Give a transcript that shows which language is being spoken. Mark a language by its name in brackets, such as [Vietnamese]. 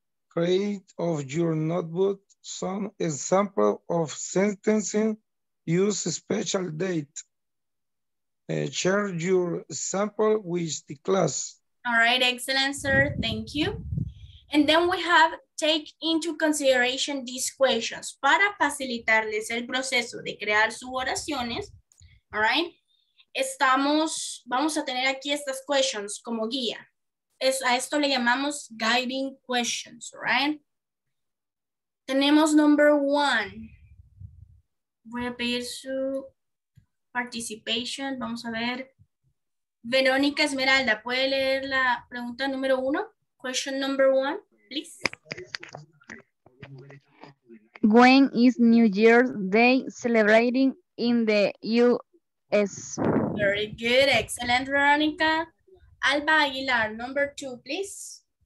[English] Create of your notebook some example of sentencing. Use a special date. Share your sample with the class. All right, excellent, sir. Thank you. And then we have take into consideration these questions. [Spanish] Para facilitarles el proceso de crear sus oraciones, [English] all right, [Spanish] vamos a tener aquí estas questions como guía. A esto le llamamos [English] guiding questions, all right? [Spanish] Tenemos [English] number one. [Spanish] Voy a pedir su participation. Vamos a ver. Verónica Esmeralda, ¿puede leer la pregunta número uno? [English] Question number one, please. When is New Year's Day celebrating in the U.S.? Very good. Excellent, Verónica. Alba Aguilar, number two, please.